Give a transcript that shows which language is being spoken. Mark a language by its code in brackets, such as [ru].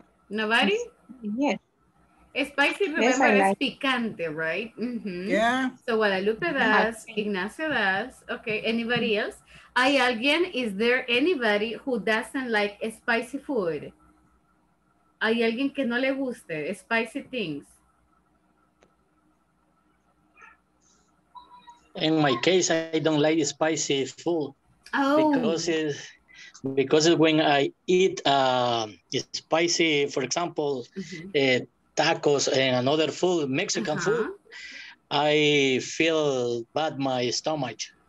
[en] Nobody? Yes. Spicy, remember, yes, like. Is picante, right? Yeah. So Guadalupe does, Ignacio does. Okay, anybody else? [es] ¿Hay alguien? [en] Is there anybody who doesn't like spicy food? [es] ¿Hay alguien que no le guste [en] spicy things? In my case, I don't like spicy food. Oh. Because when I eat spicy, for example, tacos and another food, Mexican food, I feel bad my stomach.